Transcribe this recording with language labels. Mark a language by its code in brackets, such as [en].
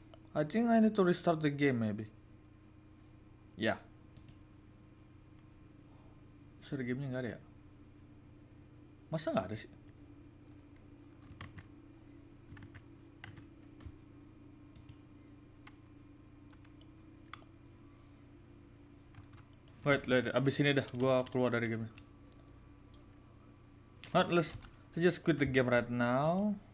[en] I think I need to restart the game, maybe. Yeah. [id] Suara gamenya nggak ada ya? Masa nggak ada sih? Wait, abis ini dah, gua keluar dari game. [en] Not less, let's just quit the game right now.